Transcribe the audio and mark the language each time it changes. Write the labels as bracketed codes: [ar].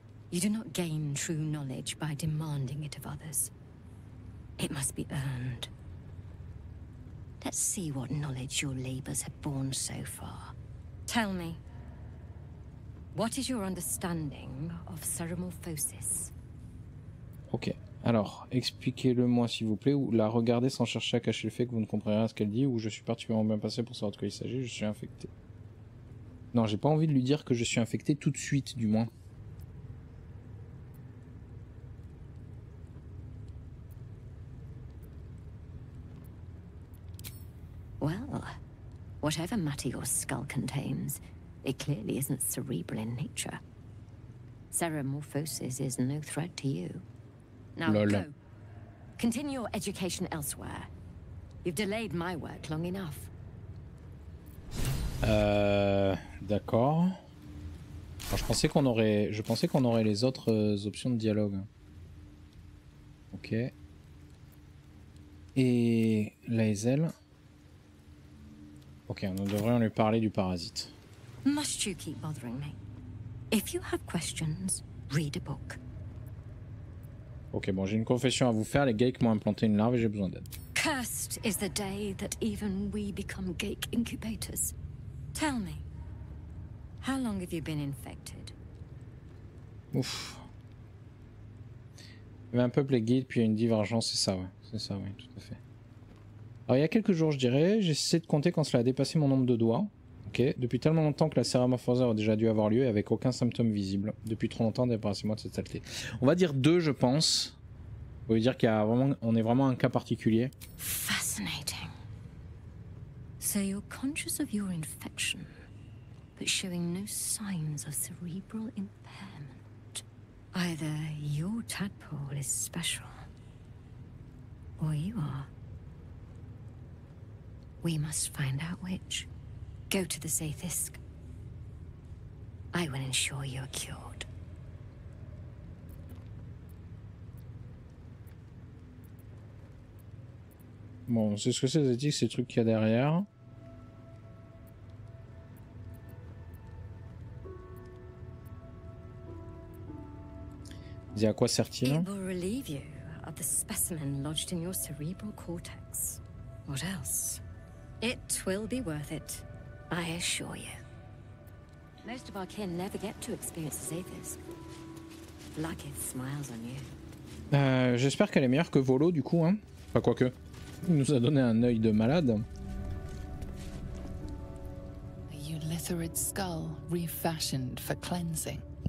[en] You do not gain true knowledge by demanding it of others. It must be earned. Let's see what knowledge your labors have borne so far. Tell me, what is your understanding of ceramorphosis? [fr] Ok, alors, expliquez-le-moi s'il vous plaît, ou la regardez sans chercher à cacher le fait que vous ne comprenez rien à ce qu'elle dit, ou je suis particulièrement bien passé pour savoir de quoi il s'agit, je suis infecté. Non, j'ai pas envie de lui dire que je suis infecté tout de suite, du moins. [en] Well, whatever matter your skull contains, it clearly isn't cerebral in nature. Ceramorphosis is no threat to you. Now Lol. Go. Continue your education elsewhere. You've delayed my work long enough. [fr] D'accord. Alors, je pensais qu'on aurait les autres options de dialogue. Ok. Et la Ezel. Ok, nous devrions lui parler du parasite. [en] Must you keep bothering me? If you have questions, read a book. [fr] Ok, bon, j'ai une confession à vous faire. Les Geek m'ont implanté une larve et j'ai besoin d'aide. [en] Cursed is the day that even we become Geek incubators. Tell me, how long have you been infected? [fr] Ouf. Il y avait un peuple et guide, puis il y a une divergence, c'est ça, ouais. C'est ça, oui, tout à fait. Alors il y a quelques jours je dirais, j'essaie de compter quand cela a dépassé mon nombre de doigts. Ok, depuis tellement longtemps que la ceramorphose a déjà dû avoir lieu et avec aucun symptôme visible. Depuis trop longtemps, débarrassez-moi de cette saleté. On va dire 2 je pense. On veut dire qu'il y a vraiment, on est vraiment un cas particulier. [en] Fascinating. So you're conscious of your infection, but showing no signs of cerebral impairment. Either your tadpole is special, or you are. We must find out which. Go to the Zathisk. I will ensure you're cured. [fr] Bon, c'est ce que c'est, Zathisk, ces trucs qu'il y a derrière. dit à quoi sert-il? [en] It will relieve you of the specimen lodged in your cerebral cortex. What else? It will be worth it, I assure you. Most of our kin never get to experience Xathis. Lucky smiles on you. [fr] J'espère qu'elle est meilleure que Volo du coup, hein. Enfin, quoique, il nous a donné un œil de malade. [en] A Ulitharid skull refashioned for cleansing.